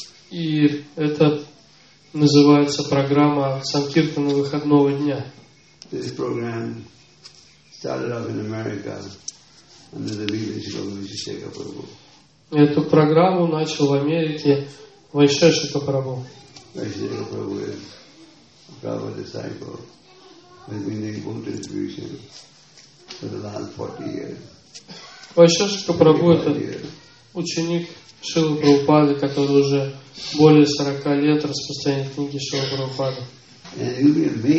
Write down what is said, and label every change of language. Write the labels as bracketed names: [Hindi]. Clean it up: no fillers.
[Russian] И это называется программа Санкиртана выходного дня. [English] This program started off in America under the leadership of Vaisheshika Prabhu. [Russian] Эту программу начал в Америке Вайшешика Прабху. [English] Vaisheshika Prabhu is a Prabhupada disciple who has been doing book distribution. [Russian] Вайшешика Прабху — это ученик Шрилы Прабхупады, который уже более 40 лет распространяет книги Шрилы Прабхупады.